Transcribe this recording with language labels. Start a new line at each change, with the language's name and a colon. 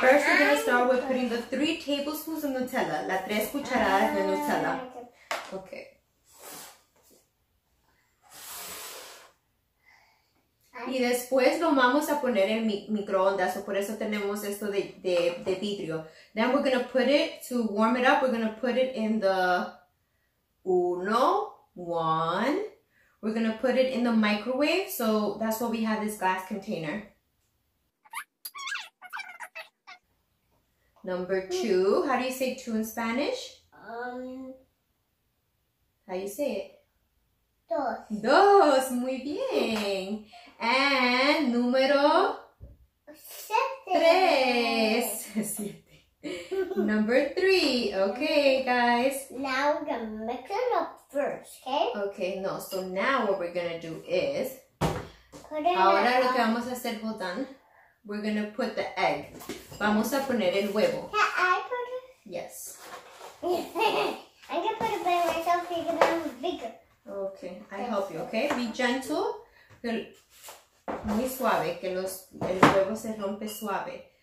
English: first, we're gonna start with putting the 3 tablespoons of Nutella,
Spanish: la 3 cucharadas de Nutella.
English: Okay.
Spanish: Y después lo vamos a poner en microondas, so por eso tenemos esto de vidrio.
English: Then we're going to put it, to warm it up, we're going to put it in the we're going to put it in the microwave, so that's why we have this glass container. Number 2, how do you say 2 in Spanish? How do you say it?
Spanish: Dos, muy bien. And número
English: 7. 3. 7. Number 3. Okay, guys. Now we're going to mix it up first, okay? Okay, no. So now what we're going to do is put it
Spanish: ahora lo que vamos a hacer,
English: hold on. We're going to put the egg.
Spanish: Vamos a poner el huevo.
English: Can I put it? Yes. I can put it by myself because I'm bigger. Okay, I help you, okay? Be gentle.
Spanish: Muy suave, que el huevo se rompe suave.